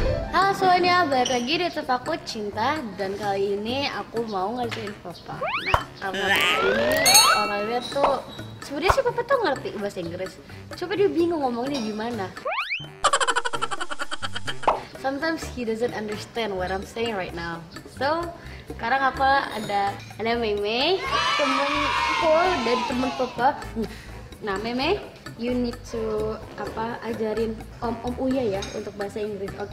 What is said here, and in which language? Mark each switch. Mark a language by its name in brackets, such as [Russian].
[Indonesian] Halo semuanya, balik lagi di Tetap Aku Cinta. Dan kali ini aku mau ngajarin papa. Nah, karena ini orangnya tuh sebenarnya si papa tuh ngerti bahasa Inggris. Coba dia bingung ngomongnya gimana. [English] Sometimes he doesn't understand what I'm saying right now. [Indonesian] So, sekarang apa ada Meme, temanku dan teman papa. Nah, Meme, [English] you need to [Indonesian] apa ajarin om Uya ya untuk bahasa Inggris, oke?